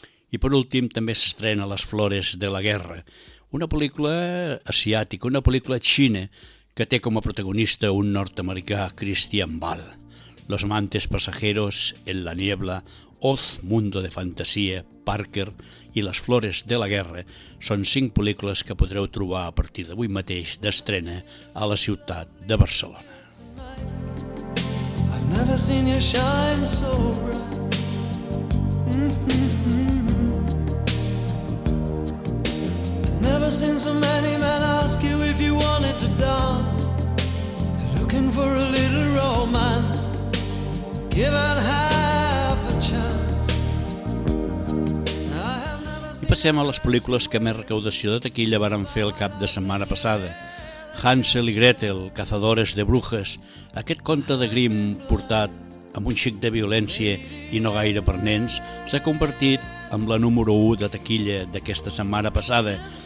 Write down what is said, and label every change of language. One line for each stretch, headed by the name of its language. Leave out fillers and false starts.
Catalan: I per últim també s'estrena Les Flores de la Guerra, una pel·lícula asiàtica, una pel·lícula xina que té com a protagonista un nord-americà, Christian Bale. Los amantes pasajeros, En la niebla, Oz, Mundo de fantasía, Parker i Les Flores de la Guerra són cinc pel·lícules que podreu trobar a partir d'avui mateix d'estrena a la ciutat de Barcelona.
English: I've never seen you shine so Never seen so many men ask you if you wanted to dance. They're looking for a little romance, given half a chance.
Catalan: I passem a les pel·lícules que més recaudació de taquilla varen fer el cap de setmana passada. Hansel i Gretel, Cazadores de Brujas, aquest conte de Grimm portat amb un xic de violència i no gaire per nens, s'ha convertit en la número 1 de taquilla d'aquesta setmana passada.